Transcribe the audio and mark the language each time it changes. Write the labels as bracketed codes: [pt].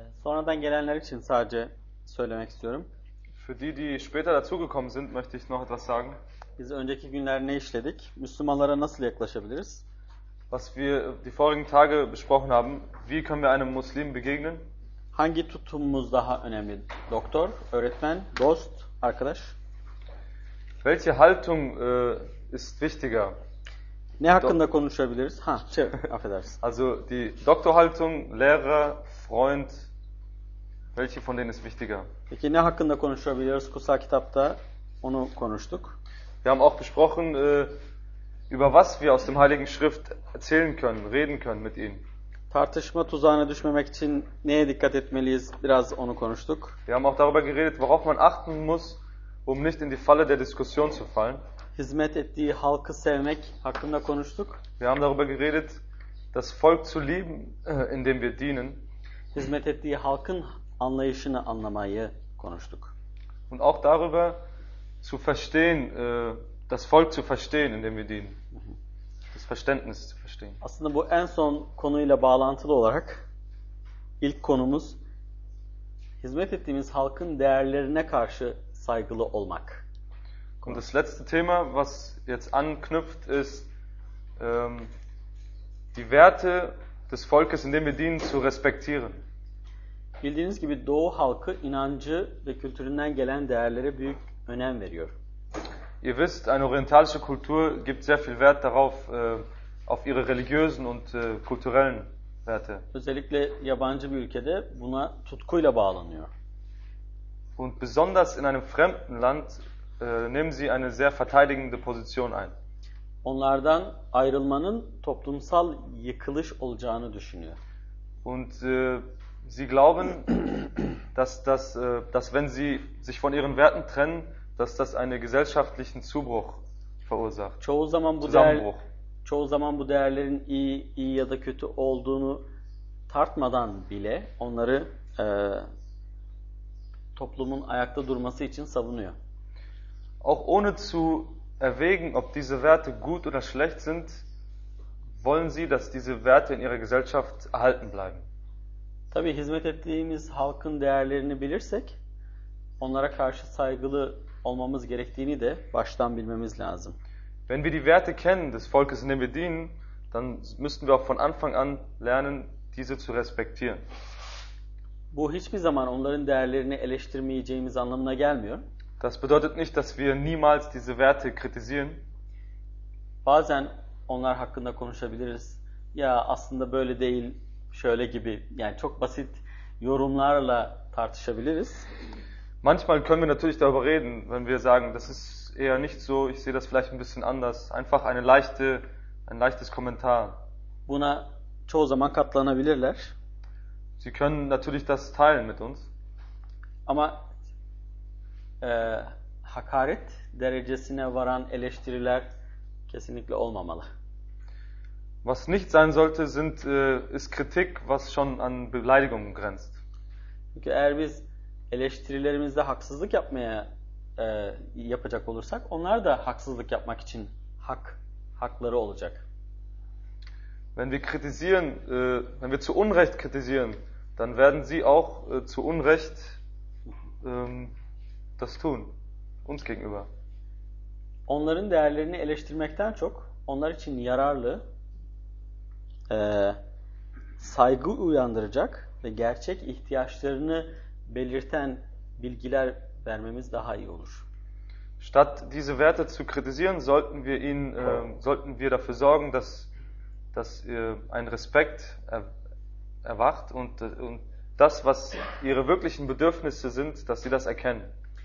[tr] Sonradan gelenler için sadece söylemek istiyorum. [de] Für die, die später dazugekommen sind, möchte ich noch etwas sagen. [tr] Biz önceki günler ne işledik? Müslümanlara nasıl yaklaşabiliriz? [de] Was wir die vorigen Tage besprochen haben, wie können wir einem Muslim begegnen? [tr] Hangi tutumumuz daha önemli? Doktor, öğretmen, dost, arkadaş? [de] Welche Haltung ist wichtiger? [tr] Ne hakkında konuşabiliriz? Ha, şey, affedersin. [de] Also die Doktorhaltung, Lehrer, Freund, welche von denen ist wichtiger? [tr] Peki ne hakkında konuşabiliyoruz? Kutsal kitapta onu konuştuk. [de] Wir haben auch besprochen, über was wir aus dem Heiligen Schrift erzählen können, reden können mit ihnen. [tr] Tartışma tuzağına düşmemek için neye dikkat etmeliyiz? Biraz onu konuştuk. [de] Wir haben auch darüber geredet, worauf man achten muss, um nicht in die Falle der Diskussion zu fallen. [tr] Hizmet ettiği halkı sevmek hakkında konuştuk. [de] Wir haben darüber geredet, das Volk zu lieben, in dem wir dienen. [tr] Hizmet ettiği halkın anlayışını anlamayı konuştuk. [de] Und auch darüber zu verstehen, das Volk zu verstehen, in dem wir dienen. Das Verständnis zu verstehen. [tr] Aslında bu en son konuyla bağlantılı olarak ilk konumuz hizmet ettiğimiz halkın değerlerine karşı saygılı olmak. [de] Und das letzte Thema, was jetzt anknüpft, ist, die Werte des Volkes, in dem wir dienen, zu respektieren. [tr] Bildiğiniz gibi Doğu halkı inancı ve kültüründen gelen değerlere büyük önem veriyor. [de] Ihr wisst, eine orientalische Kultur gibt sehr viel Wert darauf, auf ihre religiösen und kulturellen Werte. [tr] Özellikle yabancı bir ülkede buna tutkuyla bağlanıyor. [de] Und besonders in einem fremden Land nehmen sie eine sehr verteidigende Position ein. [tr] Onlardan ayrılmanın toplumsal yıkılış olacağını düşünüyor. [de] Und sie glauben, dass wenn sie sich von ihren Werten trennen, dass das einen gesellschaftlichen Zubruch verursacht, Zusammenbruch. [tr] Çoğu zaman bu değerlerin iyi ya da kötü olduğunu tartmadan bile onları toplumun ayakta durması için savunuyor. [de] Auch ohne zu erwägen, ob diese Werte gut oder schlecht sind, wollen sie, dass diese Werte in ihrer Gesellschaft erhalten bleiben. [tr] Tabii hizmet ettiğimiz halkın değerlerini bilirsek, onlara karşı saygılı olmamız gerektiğini de baştan bilmemiz lazım. [de] Wenn wir die Werte kennen des Volkes, in dem wir dienen, dann müssen wir auch von Anfang an lernen, diese zu respektieren. [tr] Bu hiçbir zaman onların değerlerini eleştirmeyeceğimiz anlamına gelmiyor. [de] Das bedeutet nicht, dass wir niemals diese Werte kritisieren. [tr] Bazen onlar hakkında konuşabiliriz. Ya aslında böyle değil, şöyle gibi. Yani çok basit yorumlarla tartışabiliriz. [de] Manchmal können wir natürlich darüber reden, wenn wir sagen, das ist eher nicht so, ich sehe das vielleicht ein bisschen anders. Einfach ein leichtes Kommentar. [tr] Buna çoğu zaman katlanabilirler. [de] Sie können natürlich das teilen mit uns. [tr] Ama hakaret derecesine varan eleştiriler kesinlikle olmamalı. [de] Was nicht sein sollte, ist Kritik, was schon an Beleidigung grenzt. [tr] Çünkü eğer biz eleştirilerimizde haksızlık yapmaya yapacak olursak, onlar da haksızlık yapmak için hakları olacak. [de] Wenn wir kritisieren, wenn wir zu Unrecht kritisieren, dann werden sie auch zu Unrecht das tun, uns gegenüber. [tr] Onların değerlerini eleştirmekten çok, onlar için yararlı, saygı uyandıracak ve gerçek ihtiyaçlarını belirten bilgiler vermemiz daha iyi olur. [de] Statt diese Werte zu kritisieren, sollten wir dafür sorgen, dass ein Respekt erwacht und das, was ihre wirklichen Bedürfnisse sind, dass sie das erkennen.